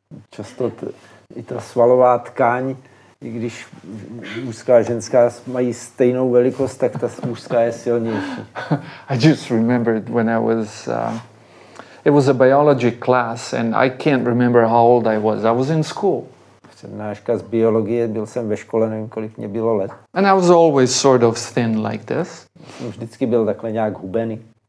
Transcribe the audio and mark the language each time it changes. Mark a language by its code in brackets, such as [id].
[cs] Často i ta svalová tkáň, i když mužská a ženská mají stejnou velikost, tak ta mužská je silnější. [en] I just remembered when I was, it was a biology class and I can't remember how old I was. I was in school. [cs] Přednáška z biologie, byl jsem ve škole, nevím, kolik mě bylo let. [en] And I was always sort of thin like this. [cs] Vždycky byl takhle nějak hubený.